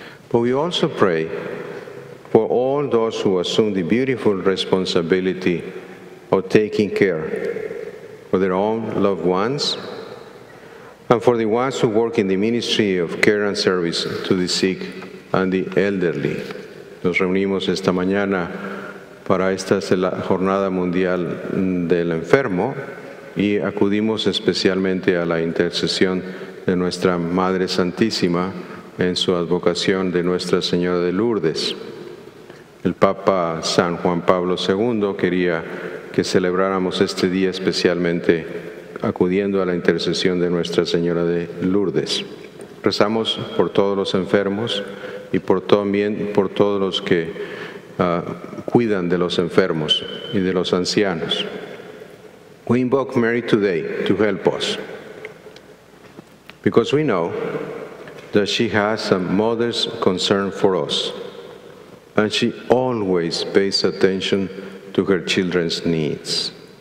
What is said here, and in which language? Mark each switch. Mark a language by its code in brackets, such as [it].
[en] But we also pray for all those who assume the beautiful responsibility of taking care of their own loved ones, and for the ones who work in the ministry of care and service to the sick and the elderly. [es] Nos reunimos esta mañana para esta Jornada Mundial del Enfermo, y acudimos especialmente a la intercesión de nuestra Madre Santísima en su advocación de Nuestra Señora de Lourdes. El Papa San Juan Pablo II quería que celebráramos este día especialmente acudiendo a la intercesión de Nuestra Señora de Lourdes. Rezamos por todos los enfermos y por todos los que cuidan de los enfermos y de los ancianos. [en] We invoke Mary today to help us, because we know that she has a mother's concern for us, and she always pays attention to her children's needs.